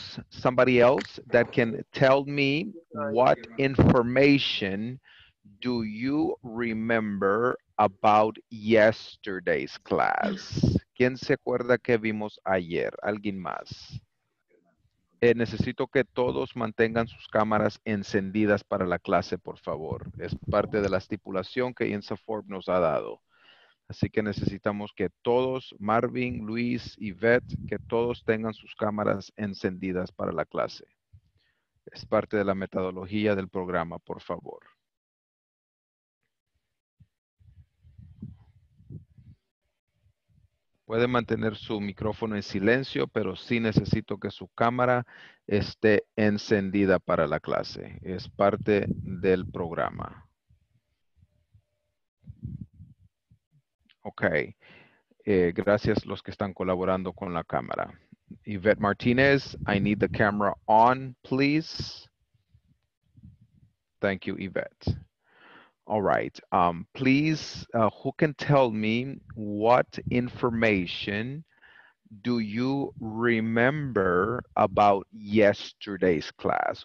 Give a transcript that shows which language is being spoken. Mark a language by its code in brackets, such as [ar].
[en] Somebody else that can tell me what information do you remember about yesterday's class? [es] ¿Quién se acuerda que vimos ayer? ¿Alguien más? Necesito que todos mantengan sus cámaras encendidas para la clase, por favor. Es parte de la estipulación que INSAFORP nos ha dado. Así que necesitamos que todos, Marvin, Luis, Yvette, que todos tengan sus cámaras encendidas para la clase. Es parte de la metodología del programa, por favor. Pueden mantener su micrófono en silencio, pero sí necesito que su cámara esté encendida para la clase. Es parte del programa. Ok, gracias los que están colaborando con la cámara. [en] Yvette Martinez, I need the camera on, please. Thank you, Yvette. All right. Please, who can tell me what information do you remember about yesterday's class?